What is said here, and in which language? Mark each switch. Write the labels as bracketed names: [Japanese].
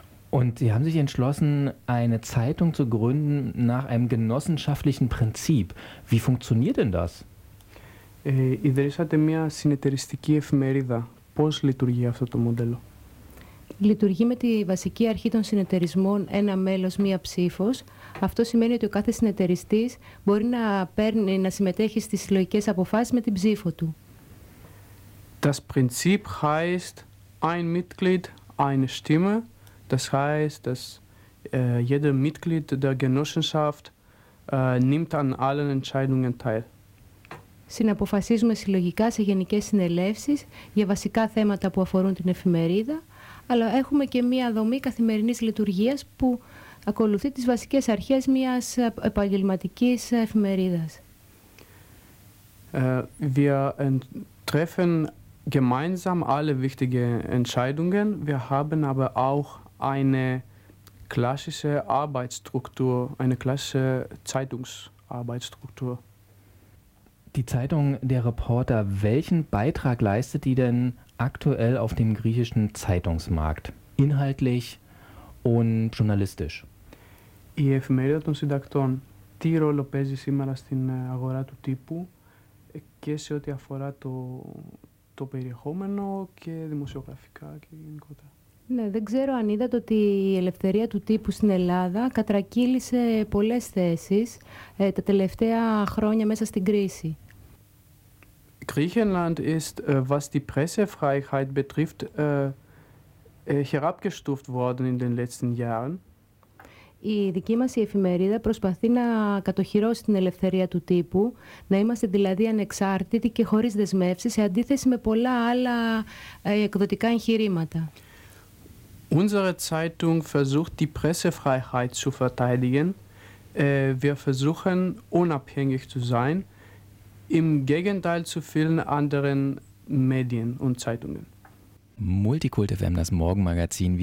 [German] Und Sie haben sich entschlossen, eine Zeitung zu gründen nach einem genossenschaftlichen Prinzip. Wie funktioniert denn das? [Greek] Ιδρύσατε μια συνεταιριστική εφημερίδα. Πώς λειτουργεί αυτό το μοντέλο? Λειτουργεί με τη βασική αρχή των συνεταιρισμών, ένα μέλος, μία ψήφος. Αυτό σημαίνει ότι ο κάθε συνεταιριστής μπορεί να συμμετέχει στις συλλογικές αποφάσεις με την ψήφο του. [German] Das Prinzip heißt ein Mitglied, eine Stimme. Das heißt, dass jeder Mitglied der Genossenschaft nimmt an allen Entscheidungen teil. [Greek] Συναποφασίζουμε συλλογικά σε γενικές συνελεύσεις για βασικά θέματα που αφορούν την εφημερίδα, αλλά έχουμε και μία δομή καθημερινής λειτουργίας που ακολουθεί τις βασικές αρχές μιας επαγγελματικής εφημερίδας. [German] Wir treffen gemeinsam alle wichtigen Entscheidungen. Wir haben aber auch eine klassische Arbeitsstruktur, eine klassische Zeitungsarbeitsstruktur. Die Zeitung der Reporter, welchen Beitrag leistet die denn aktuell auf dem griechischen Zeitungsmarkt, inhaltlich und journalistisch? [Greek] Η εφημερίδα των συντακτών, τι ρόλο παίζει σήμερα στην αγορά του τύπου και σε ό,τι αφορά το περιεχόμενο και δημοσιογραφικά και γενικότερα? Ναι, δεν ξέρω αν είδατε ότι η ελευθερία του τύπου στην Ελλάδα κατρακύλησε πολλές θέσεις τα τελευταία χρόνια μέσα στην κρίση. [German] Griechenland ist, was die Pressefreiheit betrifft, herabgestuft worden in den letzten Jahren. [Greek] Η δική μας η εφημερίδα προσπαθεί να κατοχυρώσει την ελευθερία του τύπου, να είμαστε δηλαδή ανεξάρτητοι και χωρίς δεσμεύσεις, σε αντίθεση με πολλά άλλα εκδοτικά εγχειρήματα. [German] Unsere Zeitung versucht, die Pressefreiheit zu verteidigen. Wir versuchen, unabhängig zu sein, im Gegenteil zu vielen anderen Medien und Zeitungen. Multikulte FM, das Morgenmagazin.